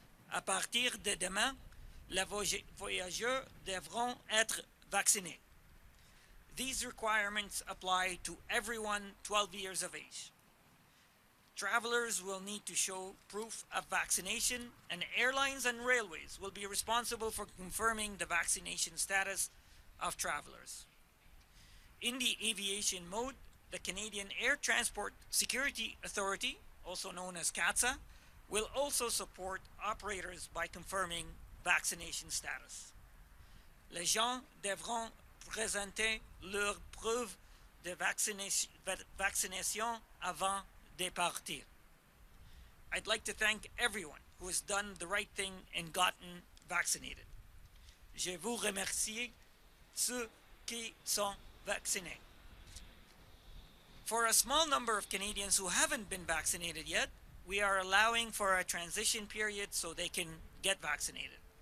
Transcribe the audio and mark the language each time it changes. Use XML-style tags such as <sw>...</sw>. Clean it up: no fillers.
<fr>À partir de demain, les voyageurs devront être vaccinés.</fr> <en>These requirements apply to everyone 12 years of age. Travelers will need to show proof of vaccination, and airlines and railways will be responsible for confirming the vaccination status of travelers. In the aviation mode, the Canadian Air Transport Security Authority, also known as CATSA, will also support operators by confirming vaccination status.</en> <fr>Les gens devront présenter leur preuve de vaccination avant de partir.</fr> <en>I'd like to thank everyone who has done the right thing and gotten vaccinated.</en> <fr>Je vous remercie ceux qui sont vaccinés.</fr> <en>For a small number of Canadians who haven't been vaccinated yet, we are allowing for a transition period so they can get vaccinated.</en>